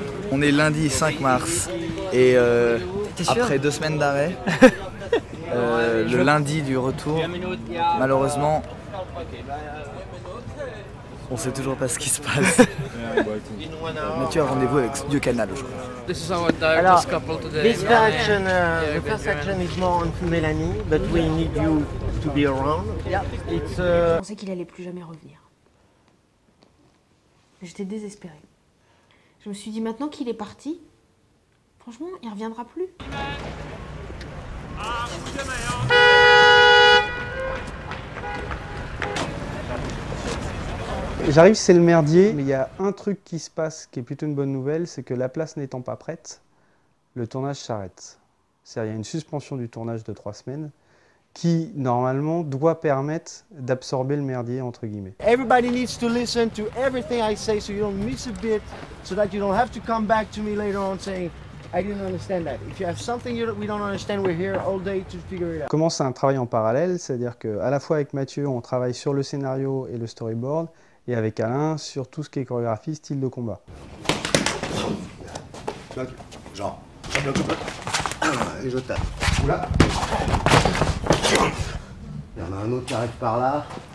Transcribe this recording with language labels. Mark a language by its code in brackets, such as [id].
[fr] On est lundi 5 mars et après 2 semaines d'arrêt, le lundi du retour, malheureusement, on sait toujours pas ce qui se passe. Mais tu as rendez-vous avec Studio Canal aujourd'hui. [en] Alors, this version, the first action is more on Mélanie, but we need you to be around. [fr] Yeah. Je pensais qu'il allait plus jamais revenir. J'étais désespérée. Je me suis dit maintenant qu'il est parti, franchement, il reviendra plus. J'arrive, c'est le merdier, mais il y a un truc qui se passe qui est plutôt une bonne nouvelle, c'est que la place n'étant pas prête, le tournage s'arrête. C'est-à-dire qu'il y a une suspension du tournage de 3 semaines qui, normalement, doit permettre d'absorber le merdier, entre guillemets. [en] Everybody needs to listen to everything I say so you don't miss a bit, so that you don't have to come back to me later on saying I didn't understand that. If you have something we don't understand, we're here all day to figure it out. [fr] On commence un travail en parallèle, c'est-à-dire qu'à la fois avec Mathieu, on travaille sur le scénario et le storyboard, et avec Alain sur tout ce qui est chorégraphie, style de combat. Jean, je bloque un peu. Et je tape. Oula. Il y en a un autre qui arrive par là.